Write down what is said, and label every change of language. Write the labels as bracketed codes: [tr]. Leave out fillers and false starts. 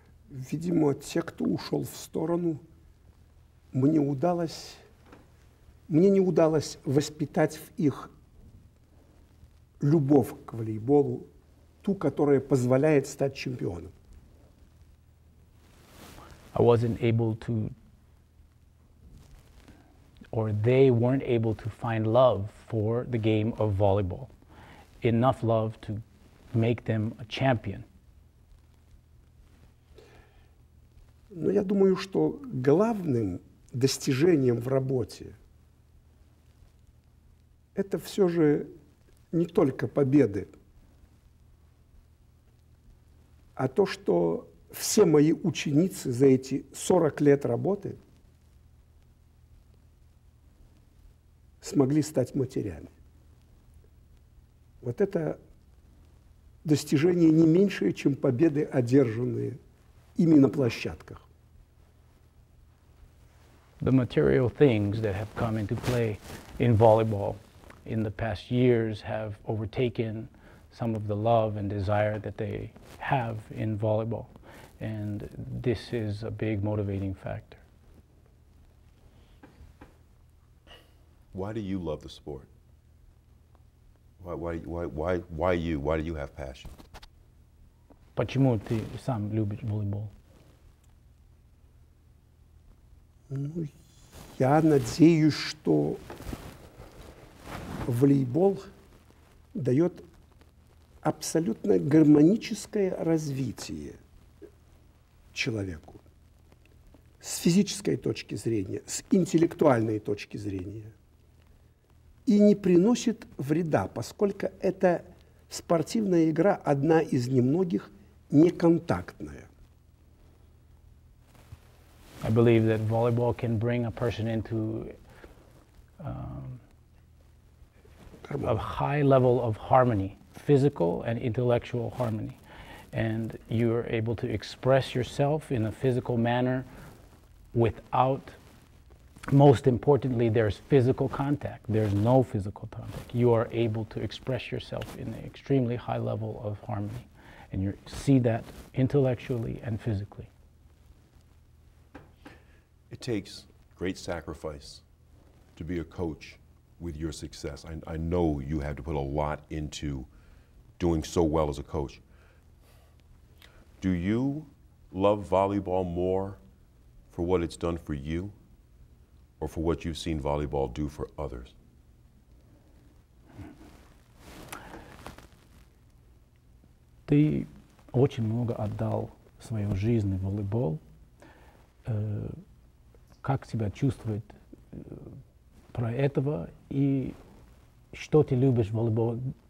[ru] Видимо, те, кто ушел в сторону, мне не удалось воспитать в их любовь к волейболу, ту, которая позволяет стать чемпионом. [en] I wasn't able to, or they weren't able to find love for the game of volleyball. Enough love to make them a champion. Но я думаю, что главным достижением в работе это все же не только победы, а то, что все мои ученицы за эти 40 лет работы смогли стать матерями. Вот это достижение не меньшее, чем победы, одержанные ими на площадках. The material things that have come into play in volleyball in the past years have overtaken some of the love and desire that they have in volleyball. And this is a big motivating factor. Why do you love the sport? Why you? Why do you have passion? [ru] Почему ты сам любишь волейбол? Ну, я надеюсь, что волейбол дает абсолютно гармоническое развитие человеку с физической точки зрения, с интеллектуальной точки зрения, и не приносит вреда, поскольку это спортивная игра, одна из немногих неконтактная. [en] I believe that volleyball can bring a person into a high level of harmony, physical and intellectual harmony. And you are able to express yourself in a physical manner without, most importantly, there's physical contact. There's no physical contact. You are able to express yourself in an extremely high level of harmony. And you see that intellectually and physically. It takes great sacrifice to be a coach with your success. I know you had to put a lot into doing so well as a coach. Do you love volleyball more for what it's done for you or for what you've seen volleyball do for others? [ru] Ты очень много отдал свою жизнь в волейбол. Как себя чувствует про этого и что ты любишь в волейбол?